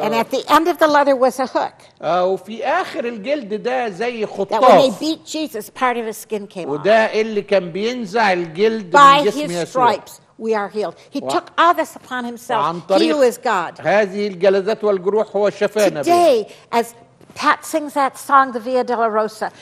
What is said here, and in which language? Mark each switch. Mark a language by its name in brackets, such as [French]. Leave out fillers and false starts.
[English] And at the end of the leather was a hook. [Arabic] وفي آخر الجلد ده زي خطاف. [English] That when they beat Jesus, part of his skin came off. [Arabic] وده اللي كان بينزع الجلد [English] By [Arabic] من جسم يسوع. [English] By his stripes we are healed. He took all this upon himself. He is God. [Arabic] هذه الجلدات والجروح هو شفانا. [English] Today, as Pat sings that song, the Via Dolorosa.